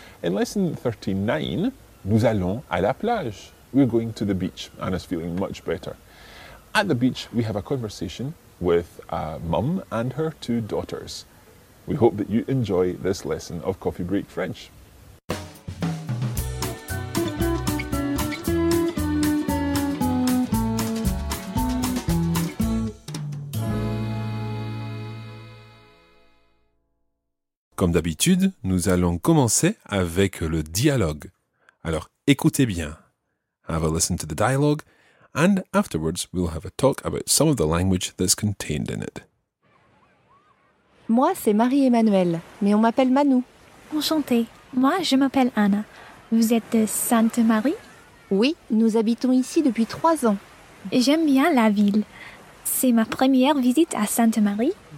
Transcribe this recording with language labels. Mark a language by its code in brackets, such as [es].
[en] In lesson 39, [fr] nous allons à la plage. [en] We're going to the beach. Anna's feeling much better. At the beach, we have a conversation with a mum and her two daughters. We hope that you enjoy this lesson of Coffee Break French. [fr] Comme d'habitude, nous allons commencer avec le dialogue. Alors, écoutez bien. [en] Have a listen to the dialogue, and afterwards we'll have a talk about some of the language that's contained in it. [fr] Moi, c'est Marie-Emmanuelle, mais on m'appelle Manu. Enchantée. Moi, je m'appelle Anna. Vous êtes de Sainte-Marie? Oui, nous habitons ici depuis 3 ans. J'aime bien la ville. C'est ma première visite à Sainte-Marie.